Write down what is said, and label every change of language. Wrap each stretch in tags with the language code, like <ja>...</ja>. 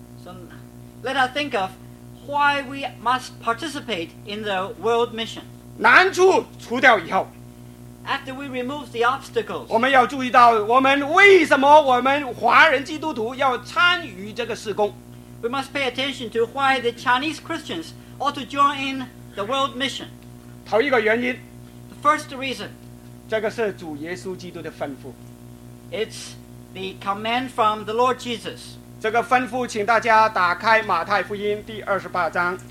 <en>So let us think of why we must participate in the world mission.</en> <zh>难处除掉以后，</zh> <en>after we remove the obstacles,</en> <zh>我们要注意到我们为什么我们华人基督徒要参与这个事工。</zh> <en>We must pay attention to why the Chinese Christians ought to join in the world mission.</en> <zh>头一个原因,</zh> <en>the first reason,</en> <zh>这个是主耶稣基督的吩咐。</zh> <en>It's the command from the Lord Jesus.</en> <zh>这个吩咐请大家打开马太福音第28章。</zh>